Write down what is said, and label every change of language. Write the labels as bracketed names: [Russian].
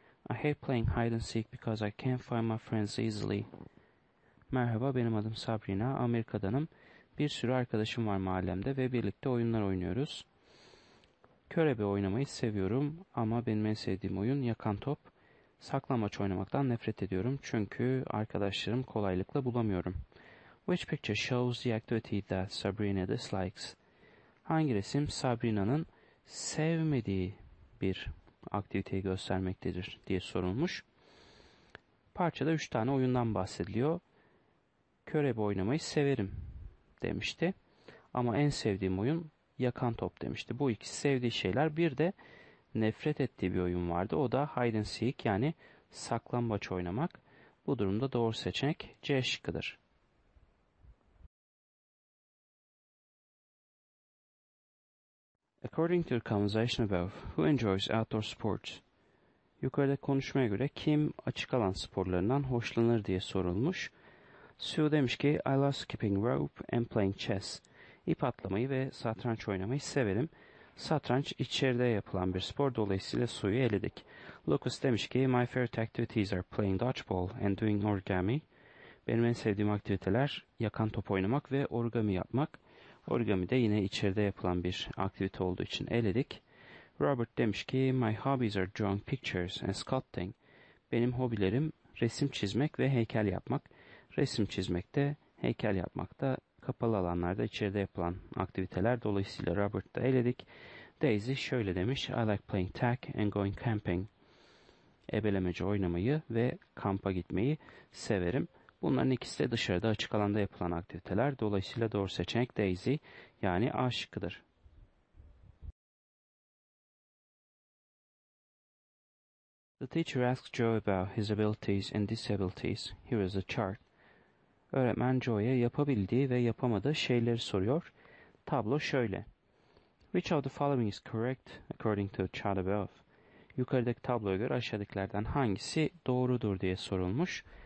[English] I hate playing hide and seek because I can't find my friends easily. [Turkish] Merhaba, benim adım Sabrina. Amerika'danım. Bir sürü arkadaşım var mahallemde ve birlikte oyunlar oynuyoruz. Körebe oynamayı seviyorum ama benim en sevdiğim oyun yakan top. Saklambaç oynamaktan nefret ediyorum çünkü arkadaşlarım kolaylıkla bulamıyorum. [English] Which picture shows the activity that Sabrina dislikes? [Turkish] Hangi resim Sabrina'nın sevmediği bir aktiviteyi göstermektedir diye sorulmuş. Parçada 3 tane oyundan bahsediliyor. Körebe oynamayı severim demişti. Ama en sevdiğim oyun yakan top demişti. Bu iki sevdiği şeyler. Bir de nefret ettiği bir oyun vardı. O da [English] hide and seek, [Turkish] yani saklambaç oynamak. Bu durumda doğru seçenek C şıkkıdır. According to the conversation above, who enjoys outdoor sports? Yukarıda konuşmaya göre kim açık alan sporlarından hoşlanır diye sorulmuş. [English] Sue [Turkish] demiş ki, [English] I love skipping rope and playing chess. [Turkish] İp atlamayı ve satranç oynamayı severim. Satranç içeride yapılan bir spor, dolayısıyla Sue'yu eledik. [English] Lucas [Turkish] demiş ki, [English] my favorite activities are playing dodgeball and doing origami. [Turkish] Benim en sevdiğim aktiviteler yakan top oynamak ve origami yapmak. Origami de yine içeride yapılan bir aktivite olduğu için eledik. [English] Robert [Turkish] demiş ki, [English] my hobbies are drawing pictures and sculpting. [Turkish] Benim hobilerim resim çizmek ve heykel yapmak. Resim çizmek de, heykel yapmak da kapalı alanlarda içeride yapılan aktiviteler. Dolayısıyla Robert'ı da eledik. [English] Daisy [Turkish] şöyle demiş, [English] I like playing tag and going camping. [Turkish] Ebelemeci oynamayı ve kampa gitmeyi severim. Bunların ikisi de dışarıda açık alanda yapılan aktiviteler. Dolayısıyla doğru seçenek Daisy, yani A şıkkıdır. [English] The teacher asks Joe about his abilities and disabilities. Here is a chart. [Turkish] Öğretmen Joe'ya yapabildiği ve yapamadığı şeyleri soruyor. Tablo şöyle. [English] Which of the following is correct according to the chart above? [Turkish] Yukarıdaki tabloya göre aşağıdakilerden hangisi doğrudur diye sorulmuş.